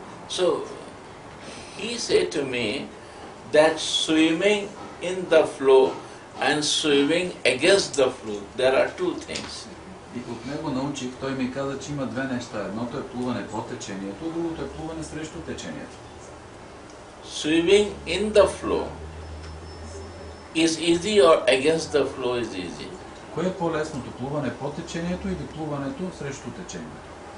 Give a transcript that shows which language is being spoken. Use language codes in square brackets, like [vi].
[en] So, he said to me that swimming in the flow and swimming against the flow. There are two things. [bg] И от него научих, той ми каза, че има две неща. Едното е плуване по течението, другото е плуване срещу течението. [en] Swimming in the flow is easy or against the flow is easy. [bg] Кое е по-лесното, плуване по течението или плуването срещу течението?